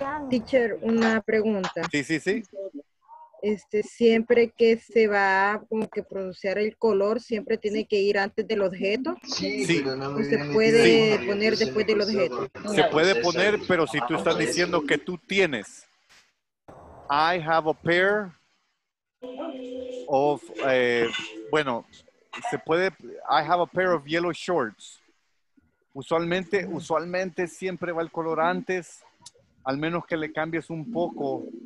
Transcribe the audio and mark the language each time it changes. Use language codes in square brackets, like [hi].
[es] Teacher, una pregunta. Sí, sí, sí. Este, siempre que se va como que pronunciar el color, siempre tiene que ir antes del objeto. Sí, sí. O se puede sí. poner después del objeto. Se puede poner, pero si tú estás diciendo que tú tienes. [en] I have a pair of, [es] bueno, se puede, [en] I have a pair of yellow shorts. [es] Usualmente, usualmente siempre va el color antes, al menos que le cambies un poco.